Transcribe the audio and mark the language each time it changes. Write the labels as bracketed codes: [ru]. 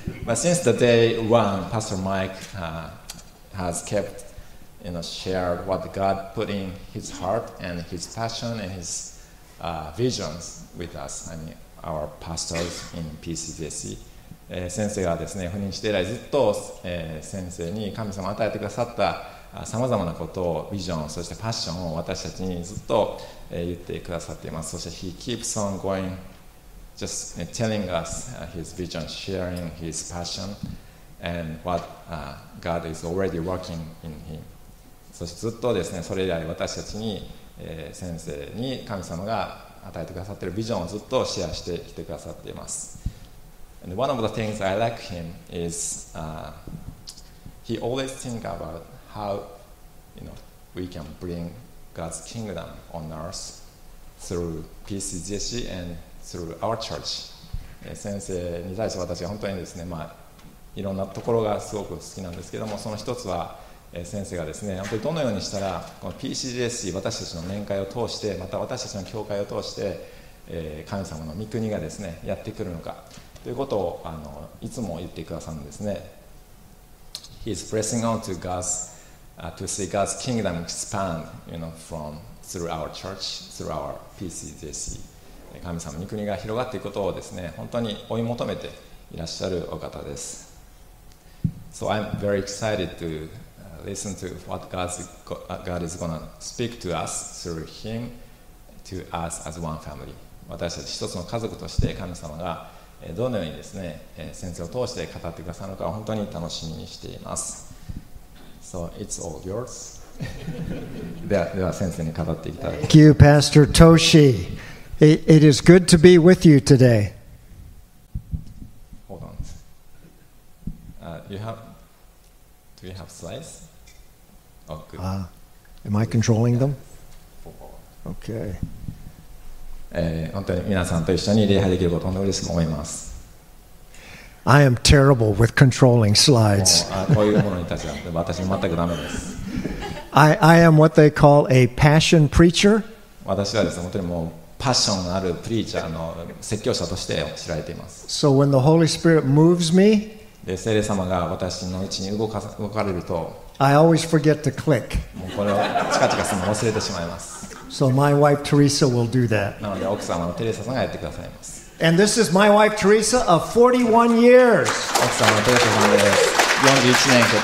[en] But since the day one, Pastor Mike has kept, you know, shared what God put in his heart and his passion and his visions with us. I mean, our pastors in PCJC. [ja] 先生がですね、赴任して以来ずっと、先生に神様与えてくださったさまざまなことを、ビジョン、そしてパッションを私たちにずっと、言ってくださっています。そして [en] He keeps on going, just telling us his vision, sharing his passion, and what God is already working in him. [ja] そしてずっとですね、それ以来私たちに、先生に神様が与えてくださっているビジョンをずっとシェアしてきてくださっています。 [en] And one of the things I like him is he always think about how, you know, we can bring God's kingdom on earth through PCJC and through our church. [ja] 先生に対して私は本当にですね、まあ、いろんなところがすごく好きなんですけども、その一つは先生がですね、本当にどのようにしたらこの PCJC 私たちの年会を通して、また私たちの教会を通して、神様の御国がですねやってくるのか。ということをいつも言ってくださるんですね。 [en] He is pressing on to God's, to see God's kingdom expand, you know, from through our church, through our PCJC. [ja] 神様の国が広がっていくことをですね、本当に追い求めていらっしゃるお方です。 [en] So I'm very excited to listen to what God is going to speak to us through Him, to us as one family. [ja] 私たち一つの家族として神様がどのようにですね、先生を通して語ってくださるのか本当に楽しみにしています。 [en] So it's all yours. [ja] では先生に語っていただきます。 [en] Thank you, Pastor Toshi. It is good to be with you today. Hold on. Do we have slides? Oh, good. Am I controlling them? Okay. [ja] 本当に皆さんと一緒に礼拝できることを嬉しく思います。 [en] I am terrible with controlling slides. [ja] こういうものに対しては私は全くダメです。 [en] I am what they call a passion preacher. [ja] 私はですね、本当にもうパッションあるプリーチャーの説教者として知られています。 [en] So when the Holy Spirit moves me, [ja] 聖霊様が私のうちに動かれると、 [en] I always forget to click. [ja] もうこれをチカチカするのを忘れてしまいます。 [en] So my wife Teresa will do that. [ja] なので奥様のテレサさんがやってくださいます。 [en] And this is my wife Teresa of 41 years. [ja] 奥様のテレサさんです。